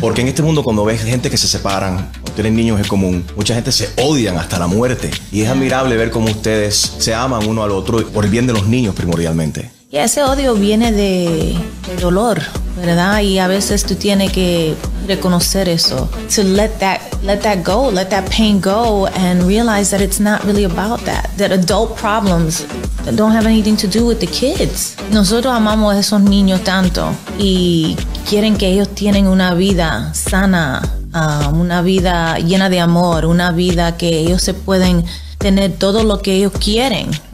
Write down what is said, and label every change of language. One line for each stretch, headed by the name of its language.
Spanish: Porque en este mundo cuando ves gente que se separan o tienen niños es común, mucha gente se odian hasta la muerte. Y es admirable ver cómo ustedes se aman uno al otro por el bien de los niños primordialmente. Y ese odio viene de dolor, ¿verdad? Y a veces tú tienes que reconocer eso.
English: To let that go, let that pain go and realize that it's not really about that. That adult problems don't have anything to do with the kids.
Spanish: Nosotros amamos a esos niños tanto y quieren que ellos tienen una vida sana, una vida llena de amor, una vida que ellos se pueden tener todo lo que ellos quieren.